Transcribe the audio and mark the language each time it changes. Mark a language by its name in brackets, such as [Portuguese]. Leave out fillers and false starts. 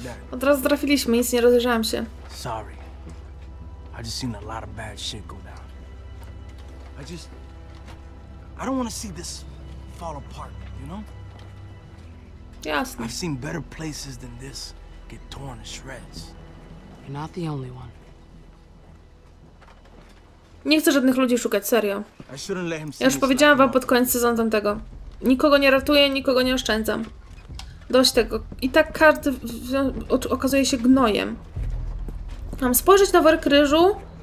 [Polish] Od razu trafiliśmy, nic nie rozejrzałam się. [English] Sorry. I just seen a lot of bad shit go down. I don't want to see this fall apart, you know? [Polish] Jasne. [English] I've seen better places than this get torn to shreds. You're not the only one. [Polish] Nie chcę żadnych ludzi szukać, serio. Ja już powiedziałam wam pod koniec sezonu tamtego. Nikogo nie ratuję, nikogo nie oszczędzam. Dość tego. I tak każdy okazuje się gnojem. Mam spojrzeć na worek ryżu.